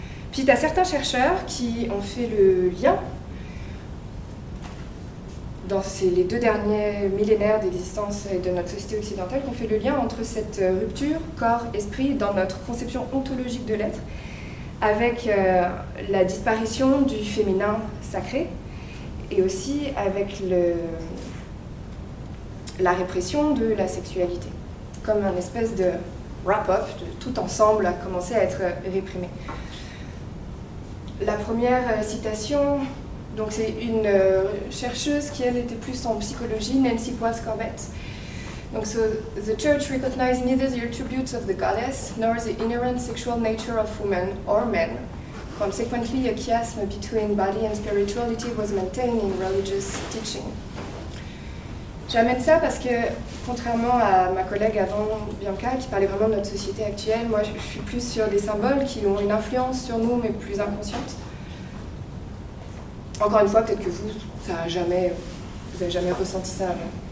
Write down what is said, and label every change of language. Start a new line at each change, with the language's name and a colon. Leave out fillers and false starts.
French: Puis, tu as certains chercheurs qui ont fait le lien dans les 2 derniers millénaires d'existence de notre société occidentale, qui ont fait le lien entre cette rupture corps-esprit dans notre conception ontologique de l'être avec la disparition du féminin sacré et aussi avec la répression de la sexualité. Comme un espèce de wrap-up, de tout ensemble a commencé à être réprimé. La première citation, donc c'est une chercheuse qui elle était plus en psychologie, Nancy Quartz Corbett.
English: Donc, so, the church recognizes neither the attributes of the goddess nor the inherent sexual nature of women or men. Consequently, a chiasm between body and spirituality was maintained in religious teaching.
French: J'amène ça parce que, contrairement à ma collègue avant, Bianca, qui parlait vraiment de notre société actuelle, moi je suis plus sur des symboles qui ont une influence sur nous, mais plus inconsciente. Encore une fois, peut-être que vous n'avez jamais ressenti ça avant.